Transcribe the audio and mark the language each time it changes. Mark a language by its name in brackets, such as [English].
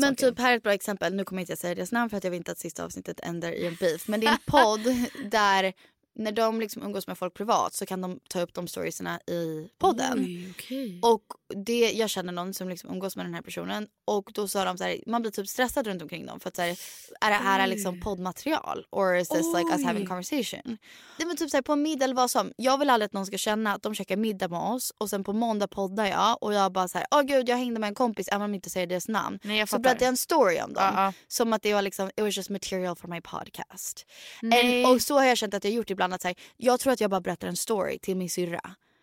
[Swedish] Men saken. Typ här är ett bra exempel. Nu kommer jag inte säga deras namn för att jag vet inte att sista avsnittet ändrar i en beef. Men det är en podd där när de liksom umgås med folk privat så kan de ta upp de storiesna i podden. [English] Okay. [Swedish] Och det, jag känner någon som liksom umgås med den här personen. Och då sa de så här, man blir typ stressad runt omkring dem. För att så här, är det här liksom poddmaterial? [English] Or is this like us having a conversation? [Swedish] Det var typ så här, på middag vad som. Jag vill aldrig att någon ska känna att de käkar middag med oss. Och sen på måndag poddar jag. Och jag bara så här, åh gud, jag hängde med en kompis. Även om inte säger deras namn. Nej, så berättade jag en story om dem. Som att det var liksom, [English] it was just material for my podcast. [Swedish] Och så har jag känt att jag gjort ibland. Att här, jag tror att jag bara berättar en story till min syrra.